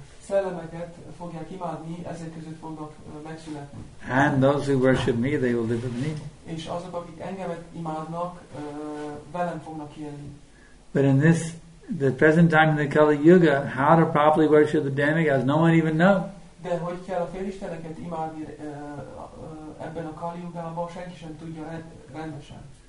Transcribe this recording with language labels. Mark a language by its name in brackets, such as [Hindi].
[Hungarian] szellemeket fogják imádni, ezek között fognak megszületni. [English] And those who worship me, they will live with me. [Hungarian] És azok, akik engemet imádnak, velem fognak élni. [English] But in this, the present time in the Kali Yuga, how to properly worship the demigods, no one even know. [Hungarian] De hogy kell a félisteneket imádni ebben a Kali Yugában, senki sem tudja rendesen.